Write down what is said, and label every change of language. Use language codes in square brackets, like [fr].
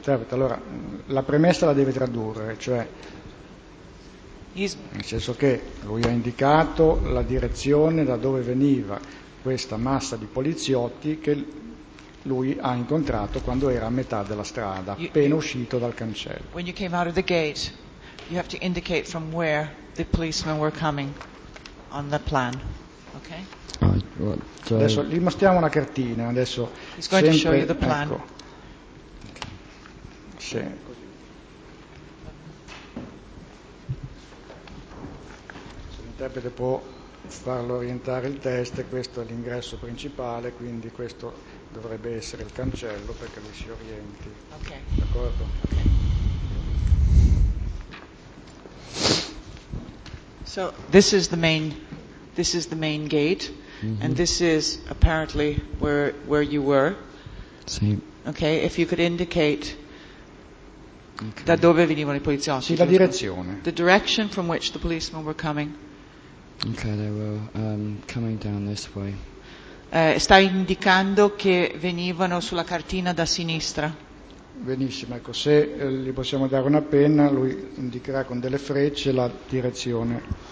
[it] Allora la premessa la deve tradurre, cioè nel senso che lui ha indicato la direzione da dove veniva questa massa di poliziotti che lui ha incontrato quando era a metà della strada, appena uscito dal cancello. [en] When you came out of the gate, you have to indicate from where the policemen were coming on the plan. Okay? [it] Adesso gli mostriamo una cartina, adesso [en] he's going [it] sempre, [en] to show you the plan. [it] Ecco. Se l'interprete può farlo orientare il test, questo è l'ingresso principale, quindi questo dovrebbe essere il cancello perché lui si orienti. Okay. D'accordo? Okay. [en] So this is the main gate, mm-hmm. And this is apparently where you were. [it] Sì. [en] Okay, if you could indicate. Okay. [it] Da dove venivano i poliziotti? Sì, la direzione. [en] The direction from which the policemen were coming. Okay, they were coming down this way. [it] Sta indicando che venivano sulla cartina da sinistra. Benissimo, ecco, se gli possiamo dare una penna, lui indicherà con delle frecce la direzione.